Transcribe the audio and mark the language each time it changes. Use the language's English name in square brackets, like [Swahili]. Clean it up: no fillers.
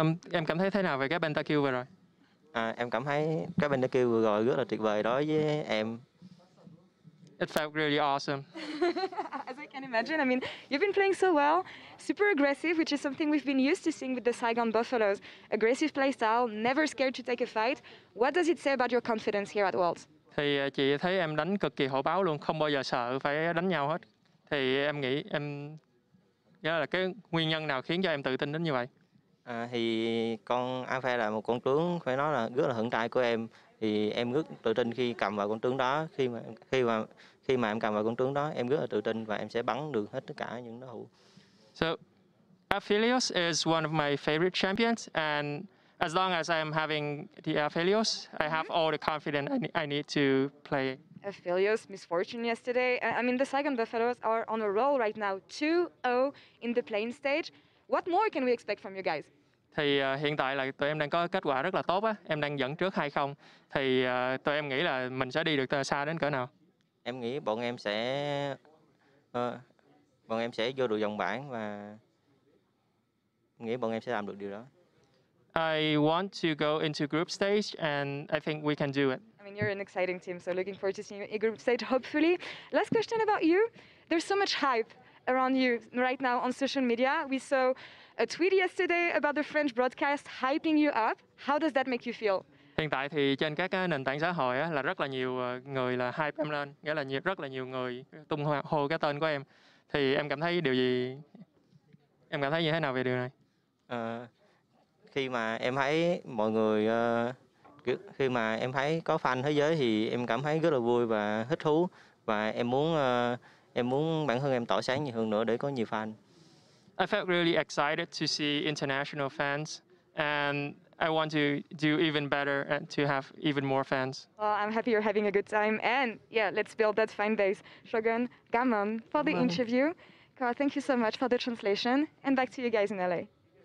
[Vietnamese] Em cảm thấy thế nào về cái pentakill vừa rồi? Em cảm thấy cái pentakill vừa rồi rất là tuyệt vời đối với em. [English] It felt really awesome. As I can imagine, I mean, you've been playing so well, super aggressive, which is something we've been used to seeing with the Saigon Buffaloes. Aggressive play style, never scared to take a fight. What does it say about your confidence here at Worlds? [Vietnamese] Thì chị thấy em đánh cực kỳ hổ báo luôn, không bao giờ sợ phải đánh nhau hết. Thì em nghĩ em nghĩa là cái nguyên nhân nào khiến cho em tự tin đến như vậy? Thì con Alpha là một con tướng phải nói là rất là hững tay của em. Thì em rất tự tin khi cầm vào con tướng đó, khi mà em cầm vào con tướng đó, em rất là tự tin và em sẽ bắn được hết tất cả những đối thủ. [English] So, Aphelios is one of my favorite champions, and as long as I'm having the Aphelios, I have all the confidence I need to play. Aphelios, misfortune yesterday. I mean, the Saigon Buffaloes are on a roll right now, 2-0 in the playing stage. What more can we expect from you guys? [Vietnamese] Thì hiện tại là tụi em đang có kết quả rất là tốt á, em đang dẫn trước 2-0. Thì tụi em nghĩ là mình sẽ đi được xa đến cỡ nào? Em nghĩ bọn em sẽ vô được vòng bảng và nghĩ bọn em sẽ làm được điều đó. [English] I want to go into group stage and I think we can do it. I mean, you're an exciting team, so looking forward to seeing you in group stage hopefully. Last question about you. There's so much hype around you right now on social media. We saw a tweet yesterday about the French broadcast hyping you up. How does that make you feel? [Vietnamese] Hiện tại thì trên các nền tảng xã hội á, là rất là nhiều người là hype em lên, nghĩa là rất là nhiều người tung hô cái tên của em. Thì em cảm thấy điều gì, em cảm thấy như thế nào về điều này? Khi mà em thấy mọi người, khi mà em thấy có fan thế giới thì em cảm thấy rất là vui và thích thú. Và em muốn bản thân em tỏa sáng nhiều hơn nữa để có nhiều fan. [English] I felt really excited to see international fans and I want to do even better and to have even more fans. Well, I'm happy you're having a good time and yeah, let's build that fan base. Shogun, [Vietnamese] cảm ơn [English] for the interview. Thank you so much for the translation and back to you guys in LA.